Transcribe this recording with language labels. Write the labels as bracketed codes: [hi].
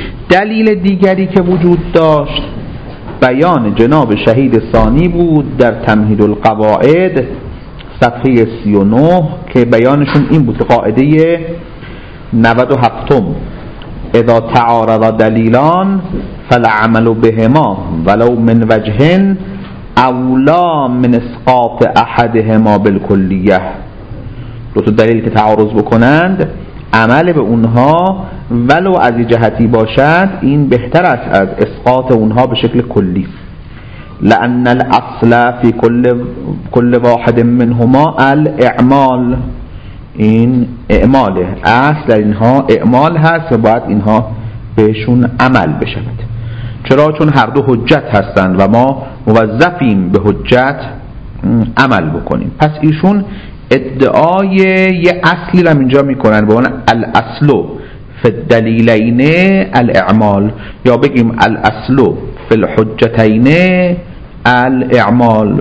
[fa] دلیل دیگری که وجود داشت بیان جناب شهید ثانی بود در تمهید القواعد صفحه 39، که بیانشون این بود، قاعده 97م، [ar] اذا تعارض دلیلان فالعمل بهما ولو من وجهن اولا من اسقاط احدهما بالکلیه. [fa] دو تا دلیل که تعارض بکنند، عمل به اونها ولو از جهتی باشد، این بهتر است از اسقاط اونها به شکل کلی. [ar] لأن الأصل في كل واحد منهما الإعمال. [fa] این اعماله، اصل در اینها اعمال هست و باید اینها بهشون عمل بشود. چرا؟ چون هر دو حجت هستند و ما موظفیم به حجت عمل بکنیم. پس ایشون ادعای یه اصلی رو اینجا میکنن به عنوان [ar] الاصل فی الدلیلین الاعمال، [fa] یا بگیم [ar] الاصل فی الحجتین الاعمال.